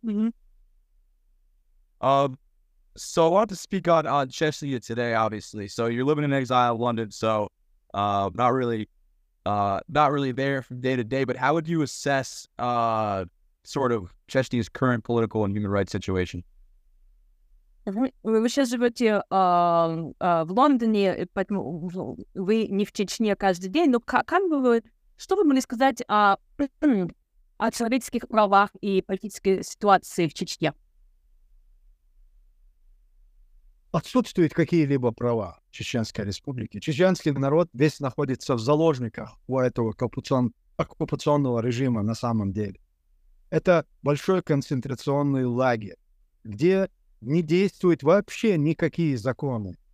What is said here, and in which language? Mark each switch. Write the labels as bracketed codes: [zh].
[en] Mm-hmm. So I want to speak on Chechnya today, obviously. So you're living in exile in London, so not really there from day to day, but how would you assess sort of Chechnya's current political and human rights situation? [uk] Ви ще живете в Лондоні, тому ви не в Чечні кожен день. Ну, що ви могли сказати о чоловіцьких правах і політичній ситуації в Чечні? [ru] Отсутствують какие-либо права Чеченской Республики. Чеченский народ весь находится в заложниках у этого оккупационного режима на самом деле. Это большой концентрационный лагерь, где не действуют вообще никакие законы.